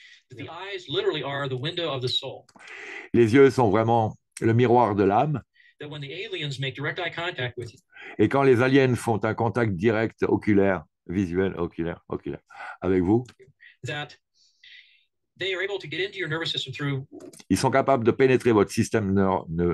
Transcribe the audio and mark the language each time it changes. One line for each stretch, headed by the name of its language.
English: The eyes literally are the window of the soul.
French: Les yeux sont vraiment le miroir de l'âme.
English: That when the aliens make direct eye contact with you.
French: Et quand les aliens font un contact direct oculaire, visuel, oculaire, avec vous.
English: That they are able to get into your nervous system through.
French: Ils sont capables de pénétrer votre système neural.